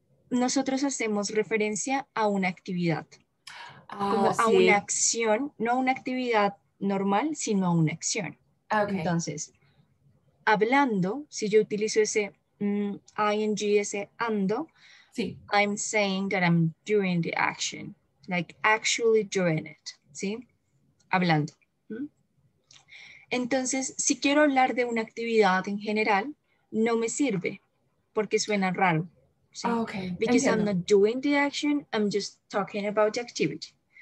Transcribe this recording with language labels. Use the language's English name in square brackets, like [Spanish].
[Spanish] Nosotros hacemos referencia a una actividad. Como a una acción, no a una actividad normal, sino a una acción. [English] Okay. [Spanish] Entonces, hablando, si yo utilizo ese ing, ese ando, sí. [English] I'm saying that I'm doing the action, like actually doing it, ¿sí? [Spanish] Hablando. Entonces, si quiero hablar de una actividad en general, no me sirve, porque suena raro. ¿Sí? [English] Oh, okay. Because I'm not doing the action, I'm just talking about the activity.